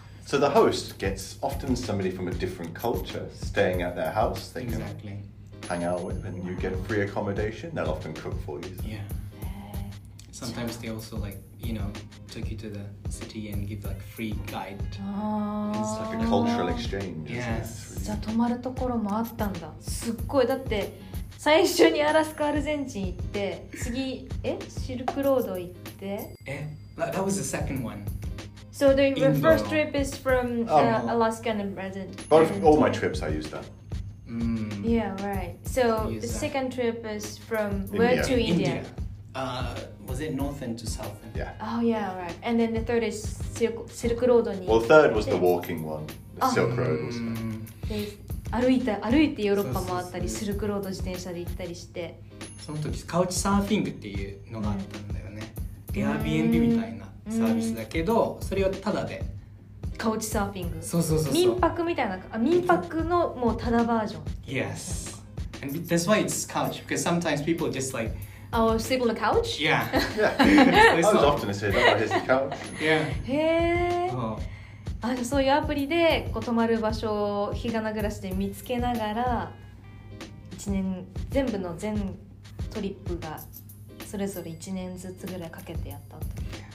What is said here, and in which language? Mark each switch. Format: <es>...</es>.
<en>So the host gets often somebody from a different culture staying at their house. They exactly. can hang out with, and you get free accommodation. They'll often cook for you. So. Yeah. Sometimes they also like, you know, took you to the city and give like free guide. It's like a cultural exchange. Yes.</en> <ja>じゃあ泊まるところもあったんだ。すっごい。だって最初にアラスカアルゼンチン行って、次シルクロード行って。</ja> <en>That was the second one. So your first trip is from Alaska and Brazil. Both all my trips, I used that. Yeah, right. So the second trip is from where to India? Was it north end to south end? Yeah. Oh yeah, right. And then the third is Silk Road. Well, third was the walking one. Silk Road was that.</en> <ja>歩いてヨーロッパ回ったり、シルクロード自転車で行ったりして。その時、カウチサーフィングっていうのがあったんだよね。 Airbnb みたいなサービスだけど、それをタダで。カウチサーフィング。そうそうそう。民泊みたいな、民泊のもうタダバージョン。</ja> <en>Yes. And that's why it's couch, because sometimes people just like, Oh, sleep on the couch? Yeah. Yeah. I was often saying, oh, here's the couch. Yeah. Hey. Oh.</en> <ja>そういうアプリで、こう、泊まる場所を日がな暮らしで見つけながら、1年、全部の全トリップがそれぞれ1年ずつぐらいかけてやったと。</ja>